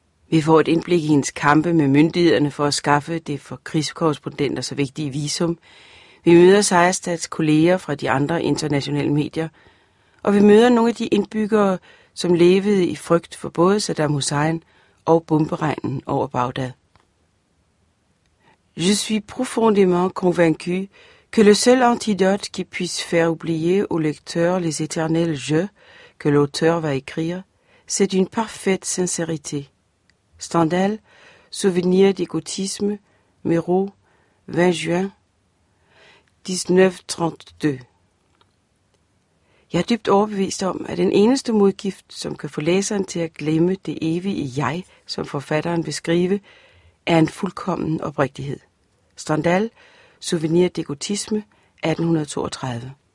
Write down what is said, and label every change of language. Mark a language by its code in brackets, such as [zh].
[da] Vi får et indblik i hendes kampe med myndighederne for at skaffe det for krigskorrespondenter så vigtige visum. Vi møder Sejerstads kolleger fra de andre internationale medier. Og vi møder nogle af de indbyggere, som levede i frygt for både Saddam Hussein og bomberegnen over Bagdad. [fr] Je suis profondément convaincu que le seul antidote qui puisse faire oublier au lecteur les éternels jeux que l'auteur va écrire, c'est une parfaite sincérité. Stendhal, Souvenir d'égotisme, Miro, 20 juin 1932. [da] Jeg er dybt overbevist om, at den eneste modgift, som kan få læseren til at glemme det evige jeg, som forfatteren beskriver, er en fuldkommen oprigtighed. [fr] Stendhal, Souvenir d'égotisme, 1832.